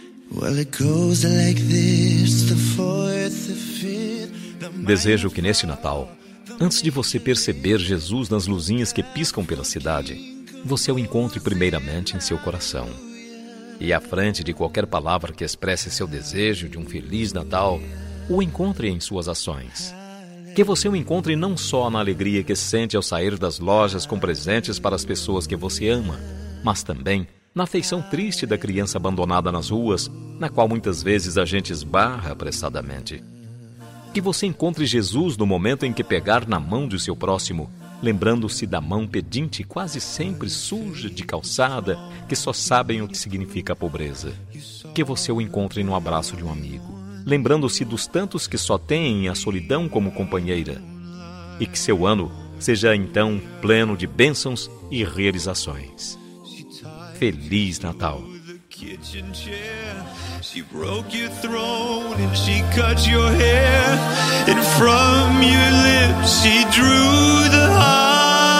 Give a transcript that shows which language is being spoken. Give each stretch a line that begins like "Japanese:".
English: Well, it goes like this, the fourth, the fifth.
Portuguese: Desejo que nesse Natal, antes de você perceber Jesus nas luzinhas que piscam pela cidade, você o encontre primeiramente em seu coração. E à frente de qualquer palavra que expresse seu desejo de um feliz Natal, o encontre em suas ações. Que você o encontre não só na alegria que sente ao sair das lojas com presentes para as pessoas que você ama, mas também na feição triste da criança abandonada nas ruas, na qual muitas vezes a gente esbarra apressadamente. Que você encontre Jesus no momento em que pegar na mão de seu próximo, lembrando-se da mão pedinte, quase sempre suja de calçada, que só sabem o que significa a pobreza. Que você o encontre no abraço de um amigo, lembrando-se dos tantos que só têm a solidão como companheira. E que seu ano seja, então, pleno de bênçãos e realizações. Feliz Natal!
English: Kitchen chair, she broke your throne and she cut your hair, and from your lips she drew the hallelujah,